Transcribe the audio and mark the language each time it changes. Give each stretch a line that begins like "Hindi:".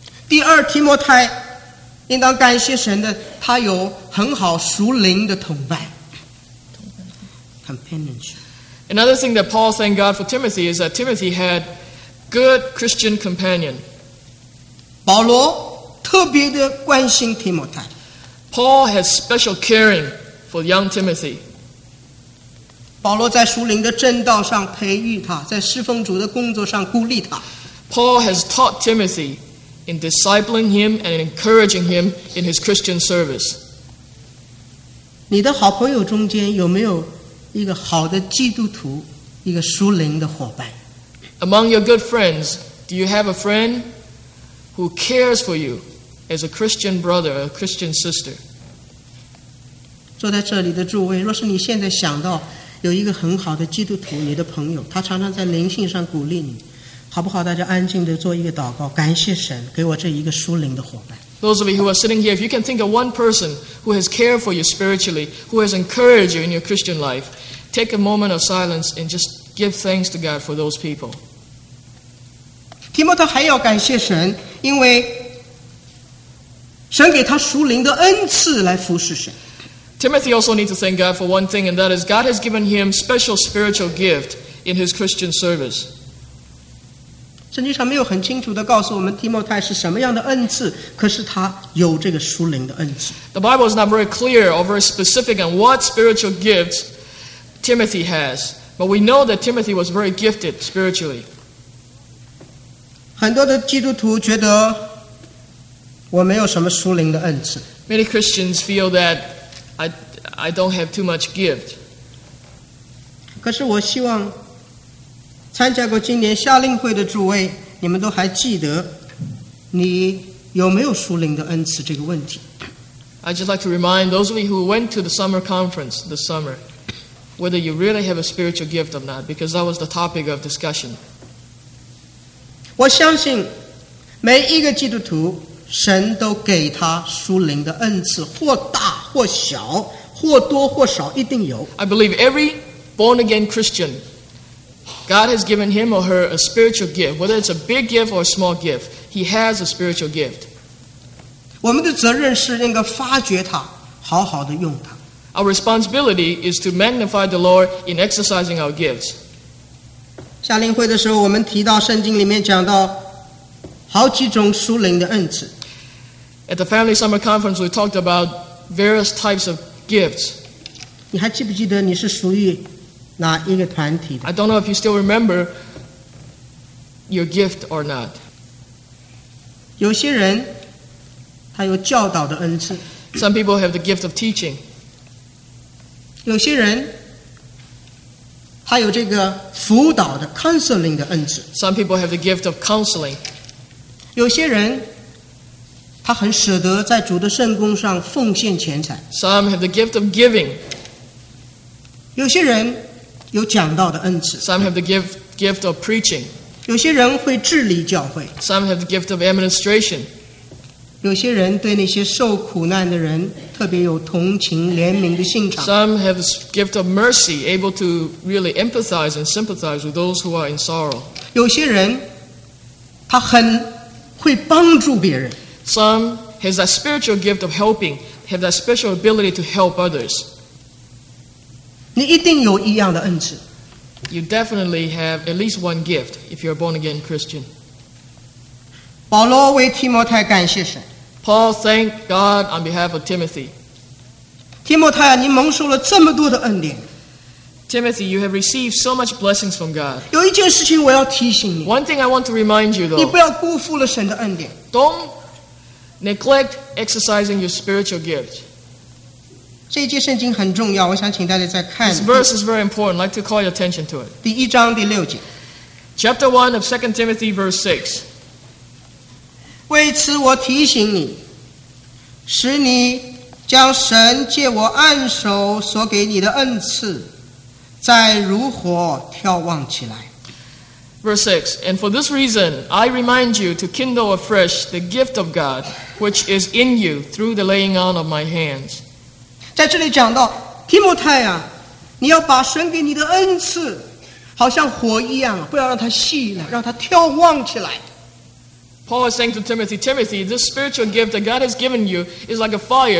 Chinese: 第二提摩太应当感谢神的，他有很好属灵的同伴。
English: Another thing that Paul thanked God for Timothy is that Timothy had good Christian companion.
Chinese: 保罗特别的关心提摩太。
English: Paul has special caring for young Timothy.
Chinese: 保罗在属灵的正道上培育他，在侍奉主的工作上鼓励他。
English: Paul has taught Timothy in discipling him and encouraging him in his Christian service.
Chinese: 你的好朋友中间有没有一个好的基督徒，一个属灵的伙伴？
English: Among your good friends, do you have a friend who cares for you as a Christian brother, a Christian sister?
Chinese: 坐在这里的诸位，若是你现在想到有一个很好的基督徒，你的朋友，他常常在灵性上鼓励你，好不好？大家安静地做一个祷告，感谢神给我这一个属灵的伙伴。
English: Those of you who are sitting here, if you can think of one person who has cared for you spiritually, who has encouraged you in your Christian life, take a moment of silence and just give thanks to God for those people.
Chinese: Timothy 还要感谢神，因为神给他属灵的恩赐来服侍神。
English: Timothy also needs to thank God for one thing, and that is God has given him special spiritual gift in his Christian service.
Chinese: 圣经上没有很清楚地告诉我们提摩太是什么样的恩赐，可是他有这个属灵的恩赐。
English: The Bible is not very clear or very specific on what spiritual gifts Timothy has, but we know that Timothy was very gifted spiritually.
Chinese: 很多的基督徒觉得我没有什么属灵的恩赐。
English: Many Christians feel that I don't have too much gift.
Chinese: 可是我希望参加过今年夏令会的诸位，你们都还记得你有没有属灵的恩赐这个问题。
English: I'd just like to remind those of you who went to the summer conference this summer, whether you really have a spiritual gift or not, because that was the topic of discussion.
Chinese: 我相信每一个基督徒，神都给他属灵的恩赐，或大或小，或多或少，一定有。
English: I believe every born-again Christian,God has given him or her a spiritual gift. Whether it's a big gift or a small gift, he has a spiritual gift.
Chinese: 我们的责任是应该发掘它，好好的用它。
English: Our responsibility is to magnify the Lord in exercising our gifts.
Chinese: 夏令会的时候，我们提到圣经里面讲到好几种属灵的恩赐。
English: At the family summer conference, we talked about various types of gifts.
Chinese: 你还记不记得你是属于哪一个团体的？
English: I don't know if you still remember your gift or not.
Chinese: 有些人他有教导的恩赐。
English: Some people have the gift of teaching.
Chinese: 有些人他有这个辅导的 counseling 的恩赐。
English: Some people have the gift of counseling.
Chinese: 有些人他很舍得在主的圣工上奉献钱财。
English: Some have the gift of giving.
Chinese: 有些人有讲道的恩赐。
English: Some have the gift of preaching.
Chinese: 有些人会治理教会。
English: Some have the gift of administration.
Chinese: 有些人对那些受苦难的人特别有同情怜悯的心肠。
English: Some have the gift of mercy, able to really empathize and sympathize with those who are in sorrow.
Chinese: 有些人他很会帮助别人。
English: Some has that spiritual gift of helping, have that special ability to help others.
Chinese: 你一定有一样的恩赐。
English: You definitely have at least one gift if you're a born again Christian.
Chinese: 保罗为提摩太感谢神。
English: Paul thanked God on behalf of Timothy.
Chinese: 提摩太啊，你蒙受了这么多的恩典。
English: Timothy, you have received so much blessings from God.
Chinese: 有一件事情我要提醒你。
English: One thing I want to remind you though.
Chinese: 你不要辜负了神的恩典。
English: Don't neglect exercising your spiritual gift.
Chinese: 这一节圣经很重要，我想请大家再看。
English: This verse is very important. I'd like to call your attention to it.
Chinese: 第一章第六节。
English: Chapter 1 of 2 Timothy, verse 6.
Chinese: 为此我提醒你，使你将神借我按手所给你的恩赐，再如火眺望起来。
English: Verse 6. And for this reason, I remind you to kindle afresh the gift of God, which is in you through the laying on of my hands.
Chinese: 在这里讲到提摩太啊，你要把神给你的恩赐好像火一样，不要让它熄了，让它眺望起来。
English: Paul is saying to Timothy, Timothy, this spiritual gift that God has given you is like a fire.